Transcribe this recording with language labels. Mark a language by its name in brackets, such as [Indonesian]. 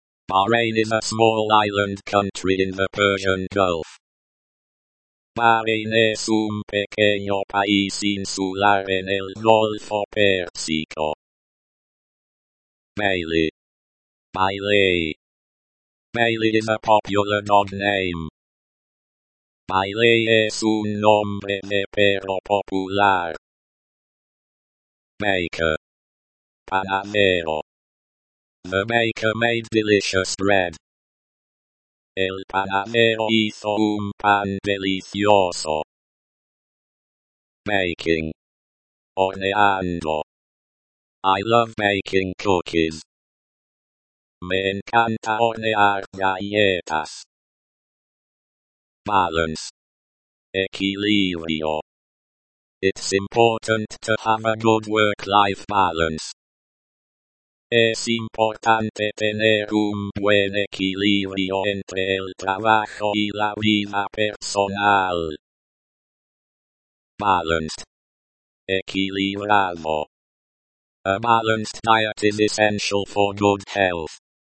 [English] Bahrain is a small island country in the Persian Gulf. [Spanish] Bahrein es un pequeño país insular en el Golfo Pérsico. [English] Bailey. Bailey. Bailey is a popular dog name. [Spanish] Bailey es un nombre de perro popular. Baker. Panadero. [English] The baker made delicious bread. [Spanish] El panadero hizo un pan delicioso. Baking. [English] Horneando. I love baking cookies. [Spanish] Me encanta hornear galletas. Balance. Equilibrio. [English] It's important to have a good work-life balance. [Spanish] Es importante tener un buen equilibrio entre el trabajo y la vida personal. Balanced. [English] Equilibrado. A balanced diet is essential for good health.